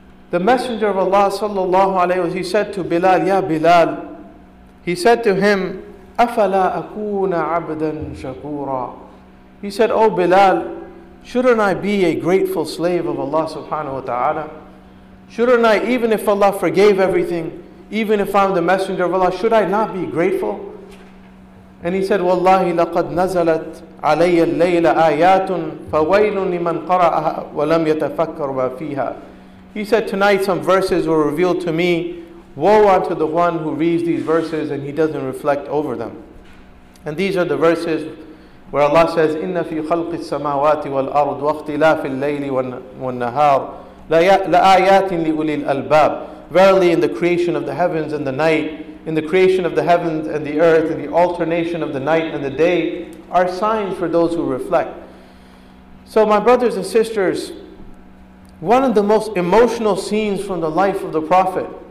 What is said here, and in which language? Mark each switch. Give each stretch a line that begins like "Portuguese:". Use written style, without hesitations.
English: The Messenger of Allah sallallahu alayhi wa sallam, he said to Bilal, Ya Bilal, he said to him,
Arabic: أَفَلَا أَكُونَ عَبْدًا شَكُورًا.
English: He said, oh Bilal, Shouldn't I be a grateful slave of Allah subhanahu wa ta'ala? Shouldn't I, even if Allah forgave everything, even if I'm the messenger of Allah, should I not be grateful? And he said,
Arabic: وَاللَّهِ لَقَدْ نَزَلَتْ عَلَيَّ اللَّيْلَ آيَاتٌ فَوَيْلٌ لِمَنْ قَرَأَهَا وَلَمْ يَتَفَكَّرْ مَا فِيهَا.
English: He said, tonight some verses were revealed to me. Woe unto the one who reads these verses and he doesn't reflect over them. And these are the verses where Allah says,
Arabic: إِنَّ فِي خَلْقِ السَّمَاوَاتِ وَالْأَرْضِ وَاخْتِلَافِ اللَّيْلِ وَالنَّهَارِ لَآيَاتٍ لِأُولِي الْأَلْبَابِ.
English: Verily in the creation of the heavens and the night, in the creation of the heavens and the earth, in the alternation of the night and the day, are signs for those who reflect. So my brothers and sisters, one of the most emotional scenes from the life of the Prophet.